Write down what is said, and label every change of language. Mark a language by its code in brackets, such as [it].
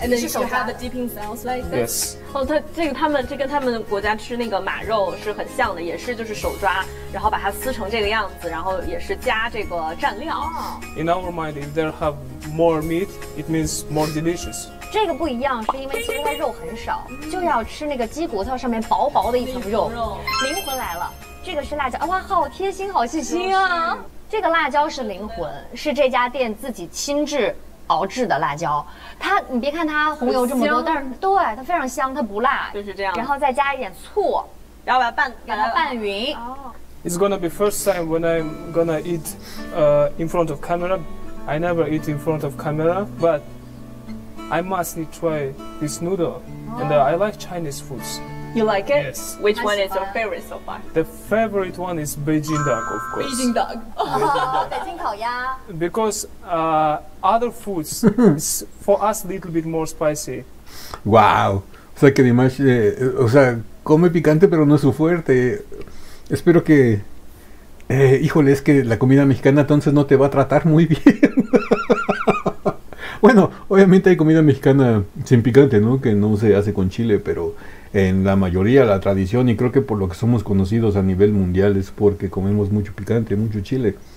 [en] And then you have the dipping sounds like this? Yes. [zh] 这跟他们国家吃那个马肉是很像的, 也是就是手抓, 然后把它撕成这个样子, 然后也是加这个蘸料。 [en] In our mind, if they have more meat, it means more delicious. [zh] 这个不一样, 是因为青菜肉很少, 就要吃那个鸡骨头上面薄薄的一层肉。灵魂来了。这个是辣椒, 哇, 好贴心, 好细心啊。这个辣椒是灵魂, 是这家店自己亲自熬制的辣椒。它, 你别看它红油这么多, 但是, 对, 它非常香, 它不辣。就是这样。然后再加一点醋, 然后把它拌, 给它拌匀。 [en] Oh. It's gonna be first time when I'm gonna eat in front of camera. I never eat in front of camera, but I must try this noodle. Oh. And I like Chinese foods. You like it? Yes. Which one is your favorite so far? The favorite one is Beijing duck, of course. Beijing duck. Beijing duck. Because other foods, for us, a little bit more spicy. Wow. [es] O sea, que Dimash, o sea, come picante, pero no es su fuerte. Espero que, híjole, es que la comida mexicana entonces no te va a tratar muy bien. Bueno, obviamente hay comida mexicana sin picante, ¿no? Que no se hace con chile, pero en la mayoría la tradición, y creo que por lo que somos conocidos a nivel mundial, es porque comemos mucho picante, mucho chile.